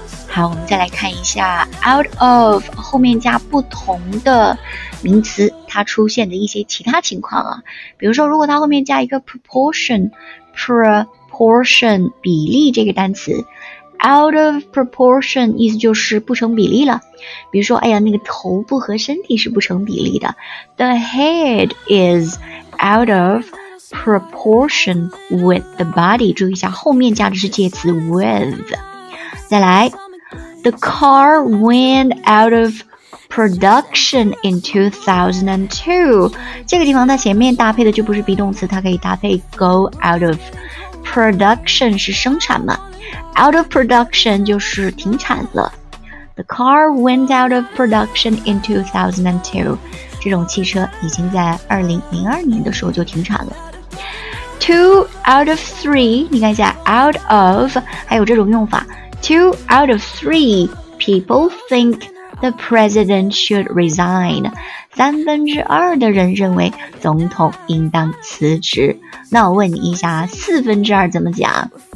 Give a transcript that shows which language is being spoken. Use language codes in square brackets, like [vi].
[zh] 好，我们再来看一下 out of 后面加不同的名词，它出现的一些其他情况啊。比如说，如果它后面加一个 proportion 比例这个单词， [en] out of proportion [zh] 意思就是不成比例了。比如说，哎呀，那个头部和身体是不成比例的。 [en] The head is out of proportion with the body. [zh] 注意一下后面加的是介词 with. 再来 [en] The car went out of production in 2002. [zh] 这个地方它前面搭配的就不是 be 动词，它可以搭配 [en] go out of production, [zh] 是生产嘛。 [en] Out of production [zh] 就是停产了。 [en] The car went out of production in 2002. [zh] 这种汽车已经在2002年的时候就停产了。 [en] Two out of three, [zh] 你看一下 out of, 还有这种用法。 [en] Two out of three people think the president should resign. [zh] 三分之二的人认为总统应当辞职。那我问你一下，四分之二怎么讲？